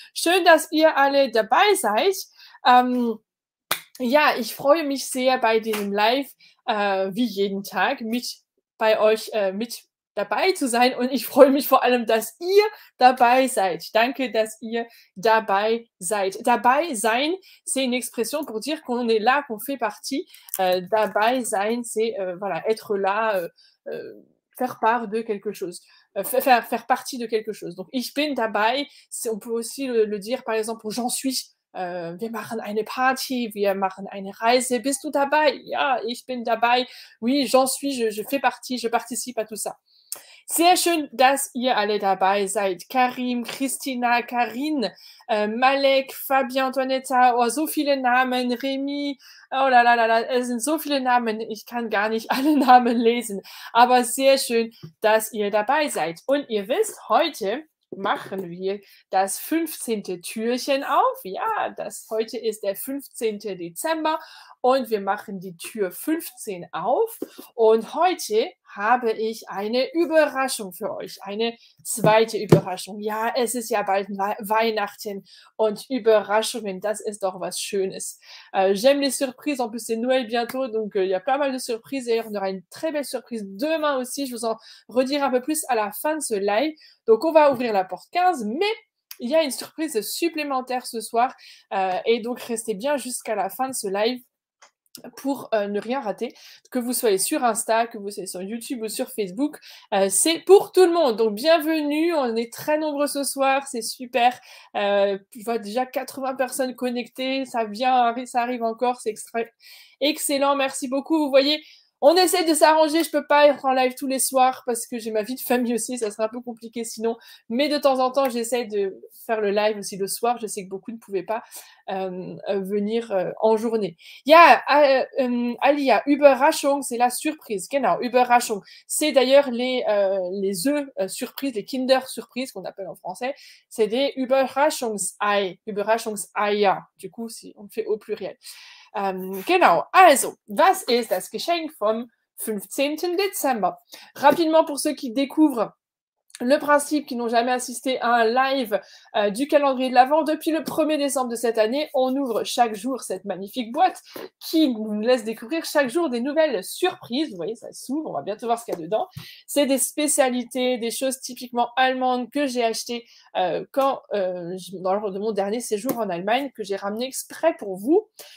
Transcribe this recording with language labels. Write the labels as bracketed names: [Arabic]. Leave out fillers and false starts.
[German] Schön, dass ihr alle dabei seid. Ja, ich freue mich sehr, bei diesem Live, wie jeden Tag, mit bei euch mit dabei zu sein, und ich freue mich vor allem, dass ihr dabei seid. Danke, dass ihr dabei seid. Dabei sein, [French] c'est une expression pour dire qu'on est là, qu'on fait partie. [German] Dabei sein, [French] c'est voilà, être là, faire part de quelque chose, faire partie de quelque chose. Donc, [German] ich bin dabei, [French] on peut aussi le dire par exemple, j'en suis. [German] Wir machen eine Party, wir machen eine Reise. Bist du dabei? Ja, ich bin dabei. [French] Oui, j'en suis, je fais partie, je participe à tout ça. [German] Sehr schön, dass ihr alle dabei seid. Karim, Christina, Karine, Malek, Fabien, Antoinetta, oh, so viele Namen, Rémi, oh là là là là, es sind so viele Namen, ich kann gar nicht alle Namen lesen. Aber sehr schön, dass ihr dabei seid. Und ihr wisst, heute machen wir das 15. Türchen auf. Ja, das heute ist der 15. Dezember und wir machen die Tür 15 auf. Und heute habe ich eine Überraschung für euch, eine zweite Überraschung. Ja, es ist ja bald Weihnachten und Überraschungen, das ist doch was Schönes. [French] J'aime les surprises, en plus c'est Noël bientôt, donc il y a pas mal de surprises. D'ailleurs, on aura une très belle surprise demain aussi, je vous en redirai un peu plus à la fin de ce live. Donc on va ouvrir la porte 15, mais il y a une surprise supplémentaire ce soir, et donc restez bien jusqu'à la fin de ce live pour ne rien rater, que vous soyez sur Insta, que vous soyez sur YouTube ou sur Facebook, c'est pour tout le monde. Donc bienvenue, on est très nombreux ce soir, c'est super. Je vois déjà 80 personnes connectées, ça vient, ça arrive encore, c'est excellent, merci beaucoup. Vous voyez, on essaie de s'arranger, je peux pas être en live tous les soirs parce que j'ai ma vie de famille aussi, ça serait un peu compliqué sinon, mais de temps en temps j'essaie de faire le live aussi le soir. Je sais que beaucoup ne pouvaient pas venir en journée. [German] Ja, Alia, Überraschung, [French] c'est la surprise. [German] Genau, Überraschung. [French] C'est d'ailleurs les œufs surprise, les Kinder surprise qu'on appelle en français. C'est des Überraschungsei, Überraschungseier. Du coup, si on fait au pluriel. [German] Genau, also, was ist das Geschenk vom 15. Dezember? [French] Rapidement, pour ceux qui découvrent le principe, qui n'ont jamais assisté à un live du calendrier de l'Avent, depuis le 1er décembre de cette année, on ouvre chaque jour cette magnifique boîte qui nous laisse découvrir chaque jour des nouvelles surprises. Vous voyez, ça s'ouvre, on va bientôt voir ce qu'il y a dedans. C'est des spécialités, des choses typiquement allemandes que j'ai achetées dans le cadre de mon dernier séjour en Allemagne, que j'ai ramené exprès pour vous.